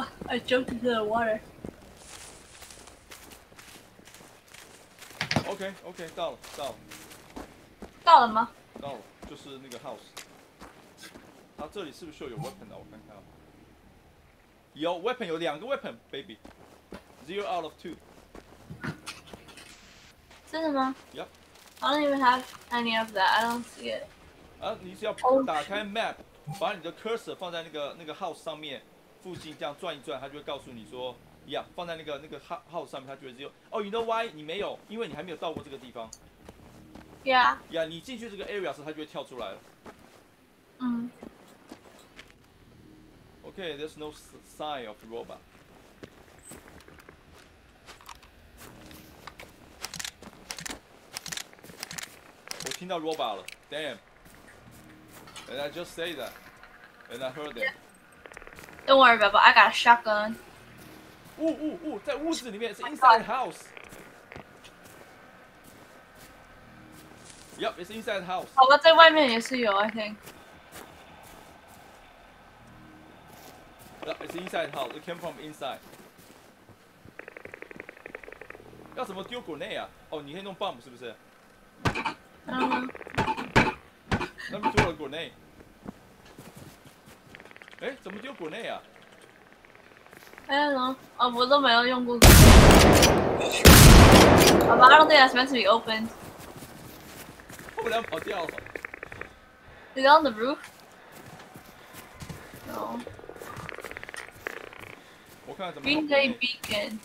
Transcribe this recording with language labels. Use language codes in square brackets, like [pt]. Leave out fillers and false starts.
[en] I jumped into the water. [zh] Okay, 到了，到了。到了吗？到了，就是那个 house。它这里是不是有 weapon 啊？我看看啊。有 weapon， 有两个 weapon， baby。 [en] Zero out of two。 [zh] 真的吗 [en] ？Yep。 I don't even have any of that. I don't see it. [zh] 啊，你只要打开 map， 把你的 cursor 放在那个 house 上面。附近这样转一转，他就会告诉你说，呀、yeah, ，放在那个 house 上面，他觉得只有哦、oh, ， [en] you know why？ [zh] 你没有，因为你还没有到过这个地方。 [en] Yeah。 [zh] 呀，你进去这个 area 时，他就会跳出来了。嗯。 [en] Okay, there's no sign of robot. [zh] I 听到 robot 了 ，damn。 [en] And I just say that, and I heard it. Don't worry, Bubba. I got a shotgun. Ooh, ooh, ooh! [zh] 在屋子里面 [en] it's inside house. Yep, it's inside house. [zh] 好吧，在外面也是有 [en] I think. Yep, it's inside house. It came from inside. [zh] 要怎么丢 grenade 啊？哦，你可以弄 bomb 是不是？嗯。那么丢了 grenade。哎、欸，怎么丢 grenade 啊？哎，能啊，我都没有用过。 [en] Oh, but I don't think that's meant to be open. Oh, that's meant to be open. Is that on the roof? No. Green Day Beacon.